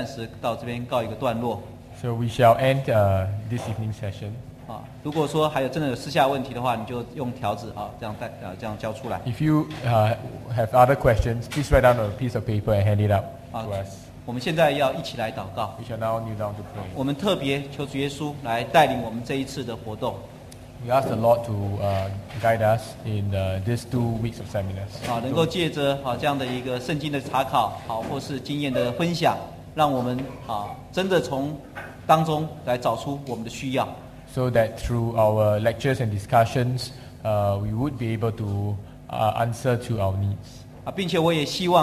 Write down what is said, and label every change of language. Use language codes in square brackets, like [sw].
[zh] 谢执事有没有要特别针对我们刚才所提到的，特别跟我们谈一下。好，那我想我们今天就暂时到这边告一个段落。So [en] we shall end this evening session. [zh] 如果说还有真的有私下问题的话，你就用条子这样交出来。 [en] If you have other questions, please write down on a piece of paper and hand it up to us. [zh] 我们现在要一起来祷告。 [en] We shall now kneel down to pray. [zh] 我们特别求主耶稣来带领我们这一次的活动。 [en] We ask the Lord to guide us in these 2 weeks of seminars. [zh] 能够借着这样的一个圣经的查考，或是经验的分享，让我们真的从当中来找出我们的需要。 [en] So that through our lectures and discussions, we would be able to answer to our needs.